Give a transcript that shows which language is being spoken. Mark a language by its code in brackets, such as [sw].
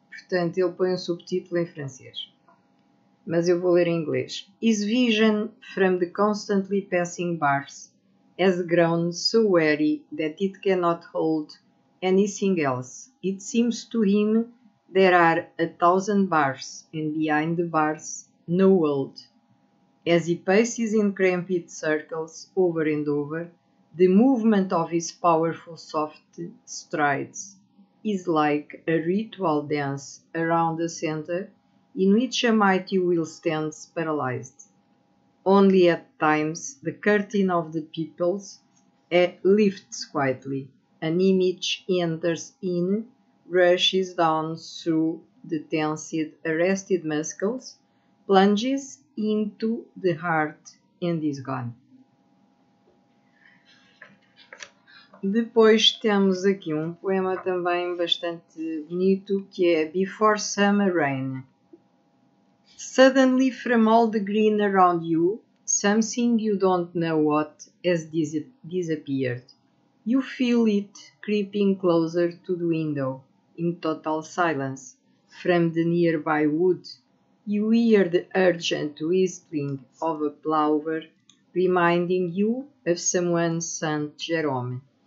[pt] Portanto, ele põe um subtítulo em francês, mas eu vou ler em inglês. [en] His vision from the constantly passing bars has grown so weary that it cannot hold anything else. It seems to him there are a thousand bars, and behind the bars, no world. As he paces in cramped circles over and over, the movement of his powerful soft strides is like a ritual dance around the center in which a mighty will stands paralyzed. Only at times the curtain of the peoples lifts quietly, an image enters in. Rushes down through the tensed, arrested muscles, plunges into the heart and is gone. [pt] Depois temos aqui um poema também bastante bonito que é Before Summer Rain. [en] Suddenly from all the green around you, something you don't know what has disappeared. You feel it creeping closer to the window, in total silence. From the nearby wood, you hear the urgent whistling of a plover, reminding you of someone Saint Jerome.